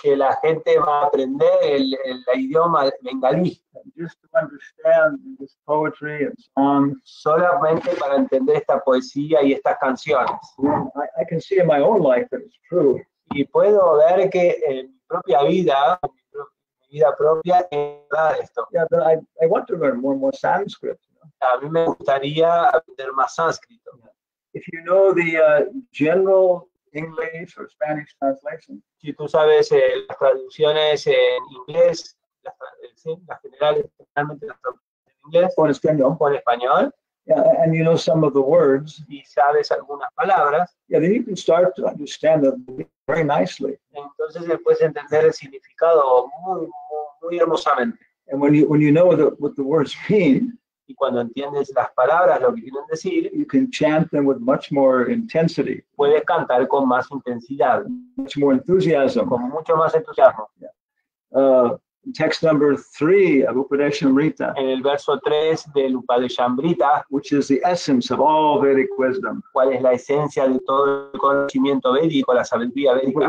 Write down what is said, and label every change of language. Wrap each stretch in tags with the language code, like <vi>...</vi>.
<es>Que la gente va a aprender el idioma bengalí.</es> <en>Just to understand this poetry and song.</en> <es>Solamente para entender esta poesía y estas canciones.</es> <en>I can see in my own life that it's true.</en> <es>Y puedo ver que en mi propia vida. Vida propia esto.</es> <en>Yeah, but I want to learn more Sanskrit.</en> <es>A mí me gustaría aprender más sánscrito.</es> <en>If you know the general English or Spanish translation.</en> <es>Si tú sabes las traducciones en inglés, las generales, generalmente las traducciones en inglés. O en español. O en español.</es> <en>Yeah, and you know some of the words.</en> <es>Y sabes algunas palabras.</es> <en>Yeah, then you can start to understand them very nicely.</en> <es>Entonces puedes entender el significado muy hermosamente.</es> <en>And when you know what the words mean.</en> <es>Y cuando entiendes las palabras, lo que quieren decir.</es> <en>You can chant them with much more intensity.</en> <es>Puedes cantar con más intensidad.</es> <en>Much more enthusiasm.</en> <es>Con mucho más entusiasmo.</es> <en>Yeah. Text number 3 of Upadeshamrita.</en> <es>En el verso 3 del Upadeshamrita,</es> <en>which is the essence of all Vedic wisdom.</en> <es>¿Cuál es la esencia de todo el conocimiento védico, la sabiduría védica?</es>